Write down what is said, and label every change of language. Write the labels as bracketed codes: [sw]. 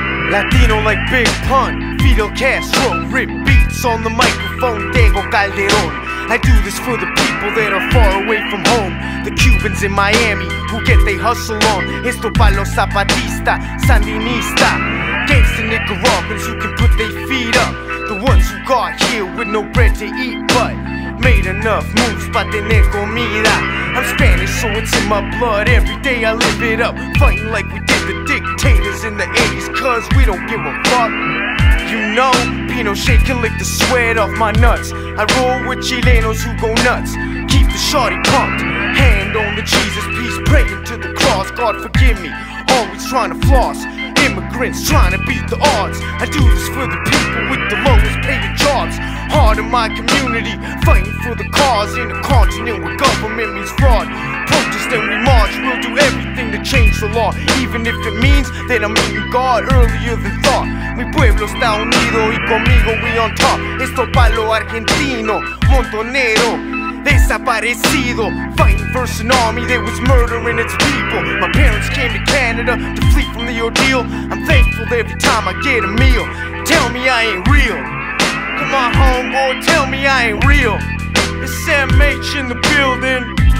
[en] Latino like Big Pun, Fidel Castro, rip beats on the microphone, Diego Calderon. I do this for the people that are far away from home. The Cubans in Miami who get they hustle on. [es] Esto pa' los Zapatista, Sandinista. [en] Gangsta Nicaraguans who can put their feet up. The ones who got here with no bread to eat but made enough moves pa' tener comida. I'm Spanish so it's in my blood, every day I live it up. Fighting like we did the dictators in the 80s, cause we don't give a fuck. You know, Pinochet can lick the sweat off my nuts. I roll with Chilenos who go nuts. Keep the shawty pumped, hand on the Jesus piece, praying to the cross, God forgive me. Always trying to floss, immigrants trying to beat the odds. I do this for the people with the lowest paid jobs. Heart of my community, fighting for the cause. In a continent where government means fraud. Protest and we march, we'll do everything to change the law. Even if it means that I'm meeting God earlier than thought. [es] Mi pueblo está unido y conmigo we on top. Esto pa' lo argentino, montonero, desaparecido. [en] Fighting versus an army that was murdering its people. My parents came to Canada to flee from the ordeal. I'm thankful every time I get a meal. Tell me I ain't real. Come on homeboy, tell me I ain't real. It's Sam H in the building.